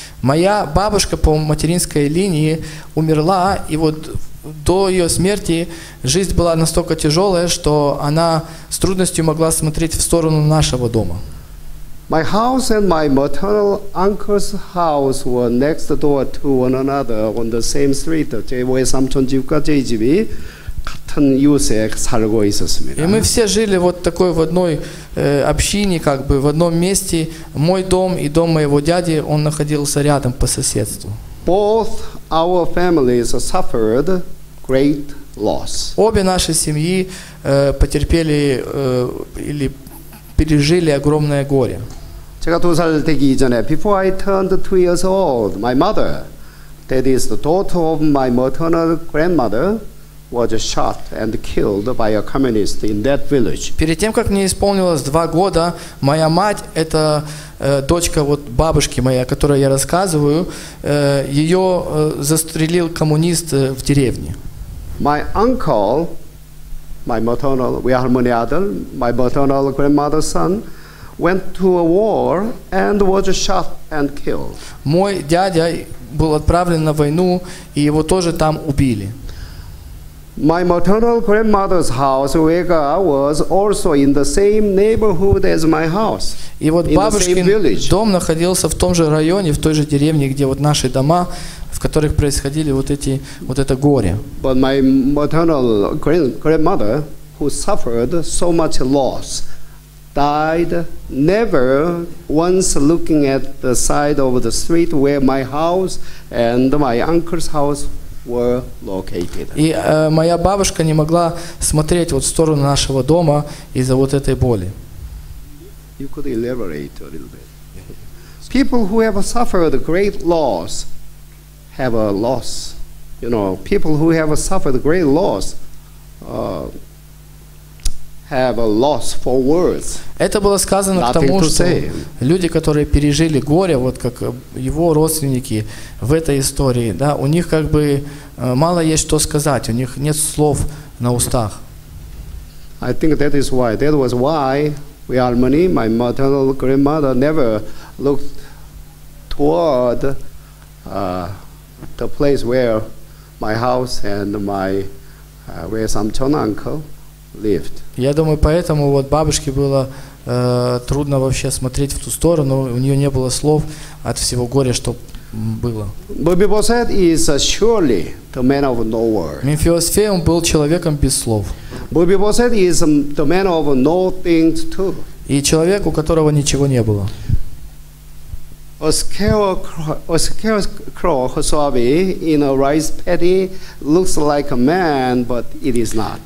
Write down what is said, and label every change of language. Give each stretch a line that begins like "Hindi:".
Russian: Моя бабушка по материнской линии умерла, и вот до ее смерти жизнь была настолько тяжелая, что она с трудностью могла смотреть в сторону нашего дома.
English: My house and my maternal uncle's house were next door to one another on the same street.
Korean: 제 삼촌 집과 제 집이 같은 이웃에 살고 있었습니다.
Russian: И мы все жили вот такой в одной общине, как бы в одном месте. Мой дом и дом моего дяди, он находился рядом по соседству.
English: Both our families suffered great loss.
Russian: Обе наши семьи потерпели или пережили огромное горе.
Korean: 제가 두 살 되기 전에,
English: before I turned 2 years old, my mother, that is the daughter of my maternal grandmother, was shot and killed by a communist in that village.
Russian: Перед тем, как мне исполнилось 2 года, моя мать, это дочка вот бабушки моей, о которой я рассказываю, ее застрелил коммунист в деревне.
English: My uncle, my maternal, we are many other, my maternal grandmother's son, went to a war and was shot and killed.
Russian: Мой дядя был отправлен на войну, и его тоже там убили.
English: My maternal grandmother's house, Vega, was also in the same neighborhood as my house.
Russian: И вот бабушкин дом находился в том же районе, в той же деревне, где вот наши дома, в которых происходили вот эти вот это горе.
English: But my maternal grandmother, who suffered so much loss, died never once looking at the side of the street where my house and my uncle's house were located.
Russian: И моя бабушка не могла смотреть вот в сторону нашего дома из-за вот этой боли.
English: You could elaborate a little bit. People who have suffered great loss have a loss. You know, people who have suffered great loss have a loss for words.
Russian: Это было сказано к тому, что люди, которые пережили горе, вот как его родственники в этой истории, да, у них как бы мало есть что сказать, у них нет слов на устах.
English: I think that is why. That was why we Armani, my maternal grandmother, never looked toward the place where my house and my where Samchon uncle lived.
Russian: Я думаю, поэтому вот бабушке было трудно вообще смотреть в ту сторону, у нее не было слов от всего горя, что было.
English: Мефибосет is surely the man of no words.
Russian: Мефибосфей, он был человеком без слов.
English: Мефибосет is the man of no things too.
Russian: И человек, у которого ничего не было.
English: A scarecrow, Hosabi, in a rice paddy, looks like a man, but it is not.